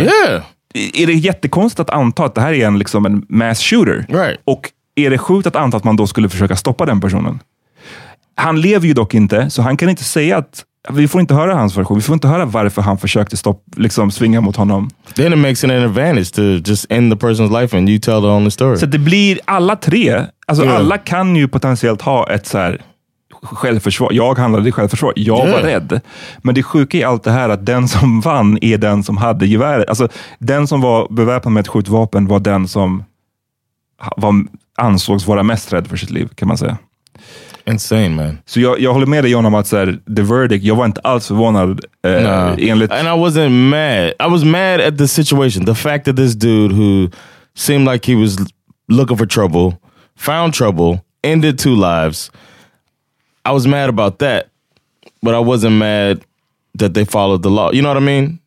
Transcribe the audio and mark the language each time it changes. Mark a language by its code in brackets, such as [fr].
[en] Yeah. [sv] Är det jättekonstigt att anta att det här är en, liksom en mass shooter? [en] Right. [sv] Och är det sjukt att anta att man då skulle försöka stoppa den personen? Han lever ju dock inte, så han kan inte säga att vi får inte höra hans version. Vi får inte höra varför han försökte liksom svinga mot honom. [en] Then it makes it an advantage to just end the person's life and you tell the only story. [sv] Så det blir alla tre. Alltså alla kan ju potentiellt ha ett så här självförsvar. Jag handlade i självförsvar. Jag var rädd. Men det sjuka i allt det här att den som vann är den som hade geväret. Alltså den som var beväpnad med ett skjutvapen var den som ansågs vara mest rädd för sitt liv, kan man säga. [en] Insane, man. [sv] Så jag håller med dig, John, om att såhär, [en] the verdict, [sv] jag var inte alls förvånad. [en] And I wasn't mad. I was mad at the situation. The fact that this dude who seemed like he was looking for trouble, found trouble, ended two lives. I was mad about that. But I wasn't mad that they followed the law. You know what I mean?